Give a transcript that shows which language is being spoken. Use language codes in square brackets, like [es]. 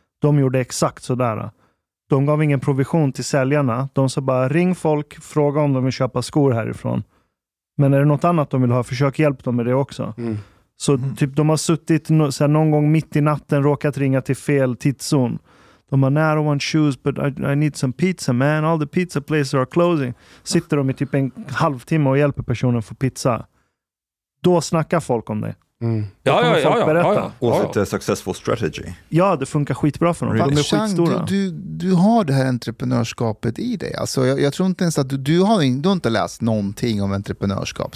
[sv] De gjorde exakt sådär. De gav ingen provision till säljarna. De sa bara, ring folk, fråga om de vill köpa skor härifrån. Men är det något annat de vill ha, försök hjälp dem med det också. Mm. Så typ de har suttit såhär, någon gång mitt i natten, råkat ringa till fel tidszon. De har, [en] I don't want shoes, but I need some pizza, man. All the pizza places are closing. [sv] Sitter de i typ en halvtimme och hjälper personen få pizza. Då snackar folk om det. Mm. Ja, kommer folk berätta. Och ett [en] successful strategy. [sv] Ja, det funkar skitbra för dem. [en] Really? [sv] De är skitstora. Du har det här entreprenörskapet i dig. Alltså, jag tror inte ens att du har inte läst någonting om entreprenörskap.